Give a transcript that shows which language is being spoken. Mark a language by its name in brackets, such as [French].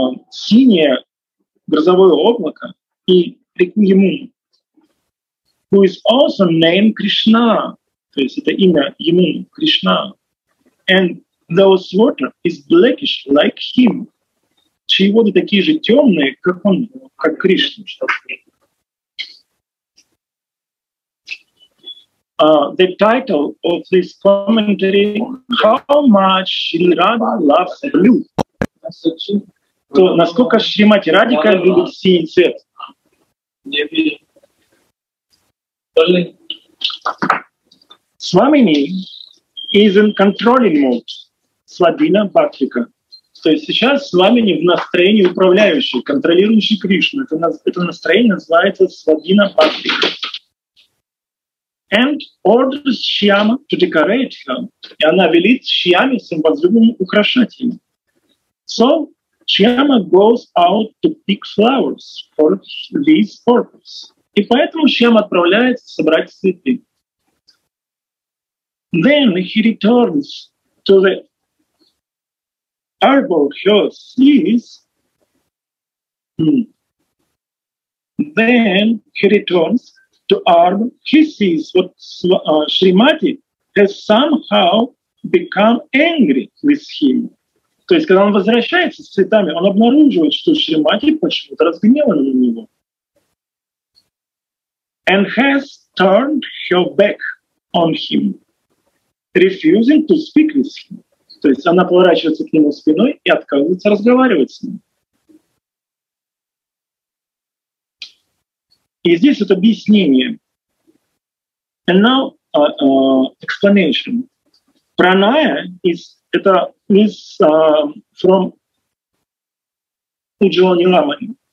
[Russian] Синее грозовое облако и реку Ямуна, [English] who is also named Krishna. [Russian] То есть это имя ему, Кришна. [English] And those water is blackish like him. [Russian] Чьи воды такие же темные, как он, как Кришна. [English] The title of this commentary, how much Shri Radha loves blue. [Russian] То насколько Шримати Радика любит синий цвет. [English] Свамини is in controlling mode, Свадина Бхактика. [Russian] То есть сейчас Свамини в настроении управляющей, контролирующей Кришну. Это настроение называется Свадина Бхактика. [English] And orders Шьяма to decorate her. [Russian] И она велит Шьяме своим возлюбленным украшать ее. [English] So Шьяма goes out to pick flowers for this purpose. [Russian] И поэтому Шьяма отправляется собрать цветы. [English] Then he returns to the arbor he sees. Then he returns to arbor he sees what Shrimati has somehow become angry with him. [Russian] То есть, когда он возвращается с цветами, он обнаруживает, что Шримати почему-то разгневана на него. [English] And has turned her back on him, refusing to speak with him. [Russian] То есть она поворачивается к нему спиной и отказывается разговаривать с ним. И здесь вот объяснение. [English] And now explanation. Praṇāya is [Russian] это [English] is from Ujjvala Nilamani.